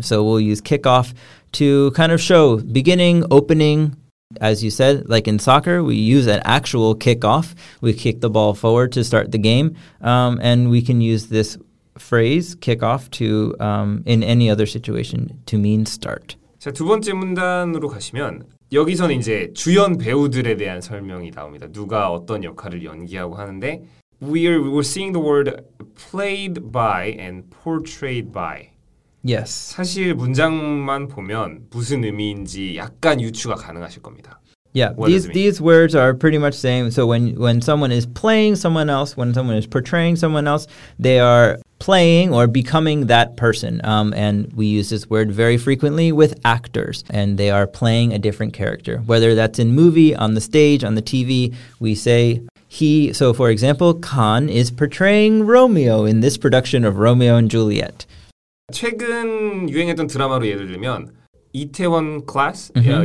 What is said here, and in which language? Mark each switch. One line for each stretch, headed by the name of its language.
English: So we'll use kick-off to kind of show beginning, opening. As you said, like in soccer, we use an actual kickoff. We kick the ball forward to start the game. And we can use this phrase, kickoff, to, in any other situation, to mean start.
Korean: 자, 두 번째 문단으로 가시면, 여기서는 이제 주연 배우들에 대한 설명이 나옵니다. 누가 어떤 역할을 연기하고 하는데,
English: we're seeing the word played by and portrayed by. Yes.
Korean: 사실 문장만 보면 무슨 의미인지 약간 유추가 가능하실 겁니다.
English: Yeah, these words are pretty much same. So when someone is playing someone else, when someone is portraying someone else, they are playing or becoming that person. And we use this word very frequently with actors, and they are playing a different character. Whether that's in movie, on the stage, on the TV, we say he. So for example, Khan is portraying Romeo in this production of Romeo and Juliet.
Korean: 최근 유행했던 드라마로 예를 들면 이태원 클래스, mm-hmm.